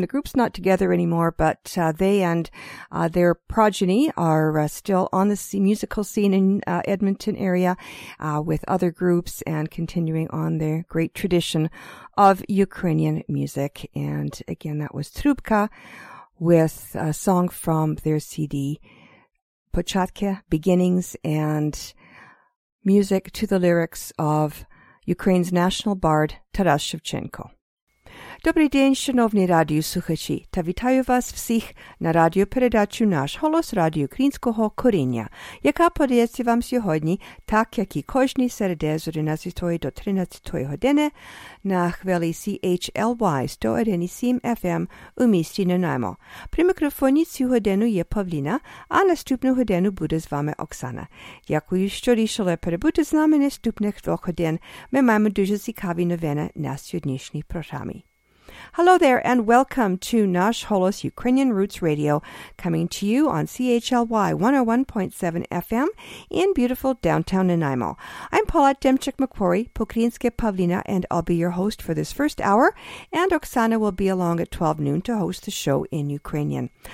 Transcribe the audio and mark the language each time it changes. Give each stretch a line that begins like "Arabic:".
English: The group's not together anymore, but they and their progeny are still on the musical scene in Edmonton area with other groups and continuing on their great tradition of Ukrainian music. And again, that was Trubka with a song from their CD Pochatke, Beginnings, and music to the lyrics of Ukraine's national bard, Taras Shevchenko.
Ukrainian: Добрий день, шановні радіослухачі, та вітаю вас всіх на радіопередачу «Наш голос» радіо українського коріння, яка подається вам сьогодні, так як і кожні середи з 11 до 13 години на хвилі CHLY 101.7 FM у місті Нанаймо. При мікрофоні цю годину є Павліна, а наступну годину буде з вами Оксана. Дякую, що рішили перебути з нами наступних двох годин. Ми маємо дуже цікаві новини на сьогоднішній програмі.
English: Hello there and welcome to Nash Holos Ukrainian Roots Radio, coming to you on CHLY 101.7 FM in beautiful downtown Nanaimo. I'm Paulette Demchuk-McQuarrie, Pokrinske Pavlina, and I'll be your host for this first hour, and Oksana will be along at 12 noon to host the show in Ukrainian.